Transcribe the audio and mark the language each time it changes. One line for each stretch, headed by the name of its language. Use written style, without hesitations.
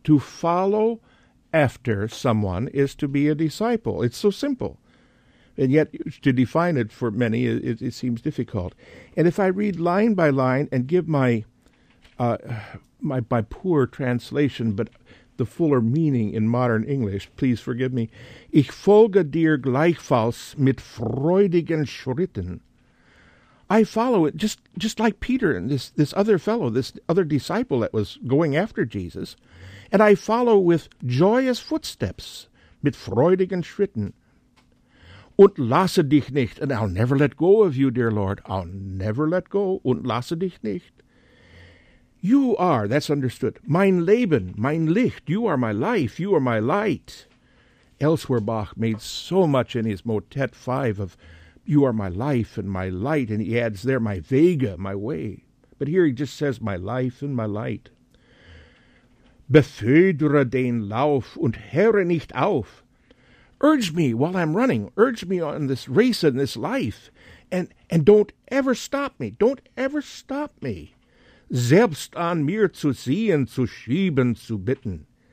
English: To follow after someone is to be a disciple. It's so simple. And yet, to define it for many, it seems difficult. And if I read line by line and give my poor translation, but the fuller meaning in modern English, please forgive me.
German: Ich folge dir gleichfalls mit freudigen Schritten.
English: I follow it just like Peter and this other fellow, this other disciple that was going after Jesus. And I follow with joyous footsteps,
German: mit freudigen Schritten. Und lasse dich nicht,
English: and I'll never let go of you, dear Lord. I'll never let go,
German: und lasse dich nicht.
English: You are, that's understood,
German: mein Leben, mein Licht.
English: You are my life, you are my light. Elsewhere, Bach made so much in his motet 5 of you are my life and my light, and he adds there my Vega, my way. But here he just says my life and my light.
German: Beföder den Lauf und höre nicht auf.
English: Urge me while I'm running. Urge me on this race and this life. And don't ever stop me. Don't ever stop me.
German: Selbst an mir zu sehen, zu schieben, zu bitten.